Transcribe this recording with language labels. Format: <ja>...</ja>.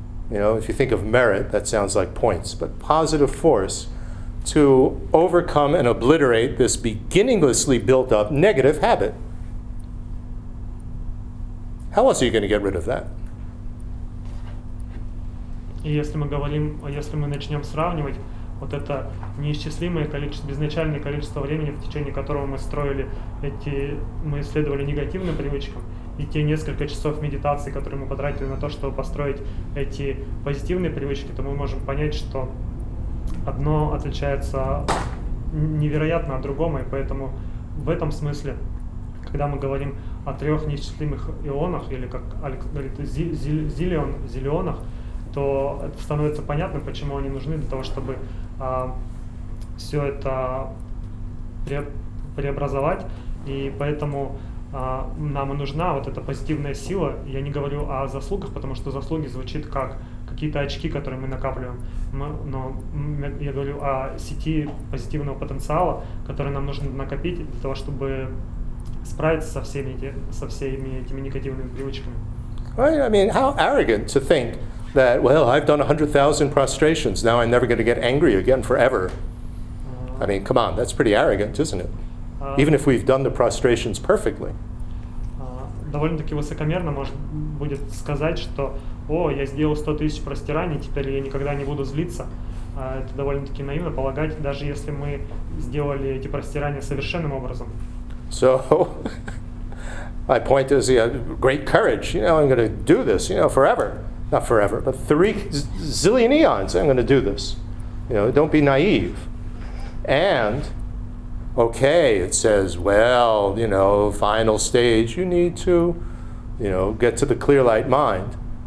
<en>You know, if you think of merit, that sounds like points, but positive force to overcome and obliterate this beginninglessly built up negative habit. How else are you going to get rid of that?</en> <ru>И если мы говорим, если мы начнем сравнивать вот это неисчислимое количество, безначальное количество времени, в течение которого мы строили эти, мы исследовали негативные привычки, и те несколько часов медитации, которые мы потратили на то, чтобы построить эти позитивные привычки, то мы можем понять, что одно отличается невероятно от другого, и поэтому в этом смысле, когда мы говорим о 3 неисчислимых ионах, или как Алекс говорит, зиллионах, то это становится понятно, почему они нужны для того, чтобы все это преобразовать. И поэтому нам и нужна вот эта позитивная сила. Я не говорю о заслугах, потому что заслуги звучат как какие-то очки, которые мы накапливаем. Но я говорю о сети позитивного потенциала, который нам нужно накопить для того, чтобы справиться со всеми этими негативными привычками.</ru> <en>Right, I mean, how arrogant to think that, well, I've done 100,000 prostrations, now I'm never going to get angry again forever. I mean, come on, that's pretty arrogant, isn't it? Even if we've done the prostrations perfectly.</en> <ru>Довольно-таки высокомерно может будет сказать, что, о, я сделал 100,000 простираний, теперь я никогда не буду злиться. Это довольно-таки наивно полагать, даже если мы сделали эти простирания совершенным образом.</ru> <en>So... My point is, yeah, great courage. You know, I'm going to do this, you know, forever. Not forever, but 3 zillion eons, I'm going to do this. You know, don't be naive. And, okay, it says, well, you know, final stage, you need to, you know, get to the clear light mind.</en>